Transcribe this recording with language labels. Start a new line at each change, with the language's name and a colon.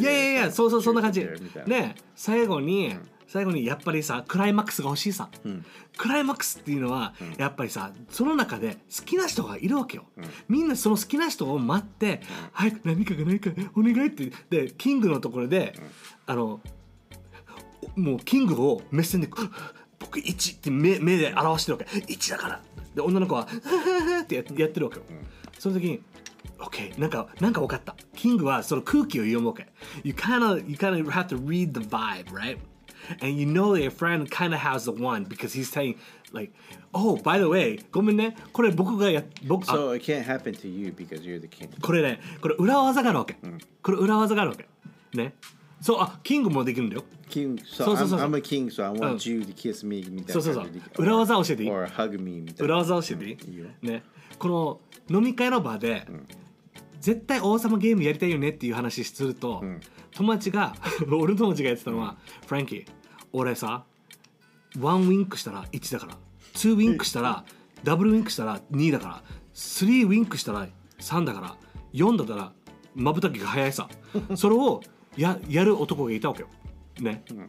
English: dare yeah yeah yeah
Japanese: そうそうそんな感じね最後に、最後にやっぱりさクライマックスが欲しいさ、クライマックスっていうのは、やっぱりさその中で好きな人がいるわけよ、みんなその好きな人を待って早く何かが何かお願いってでキングのところで、あのもうキングを目線で僕1って 目で表してるわけ1だからで女の子はってやってるわけよ、その時にOK、なんか分かった。キングはその空気を読むわけ。
English: You kind of have to read the vibe, right? And you know that your friend kind of has the one because he's saying, like, oh, by the way,
Japanese: ごめんね。これ僕がや、僕。
English: So it can't happen to you because you're the king.
Japanese: これね、これ裏技があるわけ。これ裏技があるわけ。ね。そう、あ、キングもできるんだよ。キング、
English: so、
Japanese: そうそうそう。
English: I'm a king, so I want you to kiss me
Japanese: みたいな。そうそうそう。裏技教えていい？
English: Or hug me
Japanese: みたいな。裏技教えていい？ね。この飲み会の場で、絶対王様ゲームやりたいよねっていう話すると、友達が俺の友達がやってたのは、フランキー俺さワンウィンクしたら1だからツーウィンクしたらダブルウィンクしたら2だからスリーウィンクしたら3だから4だったらまぶたきが早いさそれを やる男がいたわけよね、